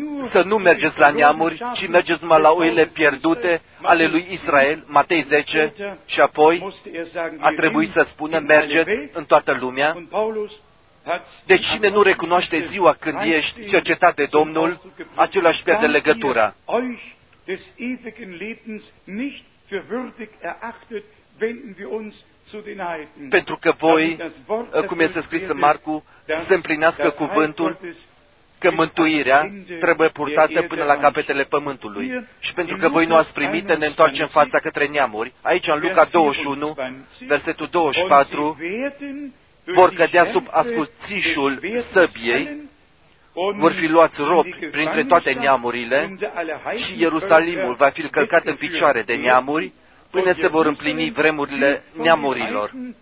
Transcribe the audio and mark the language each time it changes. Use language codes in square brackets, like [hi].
[ro] să nu mergeți la neamuri, ci mergeți numai la oile pierdute ale lui Israel, Matei 10, și apoi a trebuit să spună, mergeți în toată lumea. Deci cine nu recunoaște ziua când ești cercetat de Domnul, același pierde legătura. [de] Des ewigen Lebens nicht für würdig erachtet, wenden wir uns zu den Heiden. [ro] Pentru că voi, cum este scris în Marcu, să împlinească cuvântul că mântuirea trebuie purtată până la capetele pământului. Și pentru că voi nu ați primit, ne întoarcem fața către neamuri. Aici în Luca 21, versetul 24, vor cădea sub ascuțișul săbiei, vor fi luați robi printre toate neamurile și Ierusalimul va fi călcat în picioare de neamuri până se vor împlini vremurile neamurilor.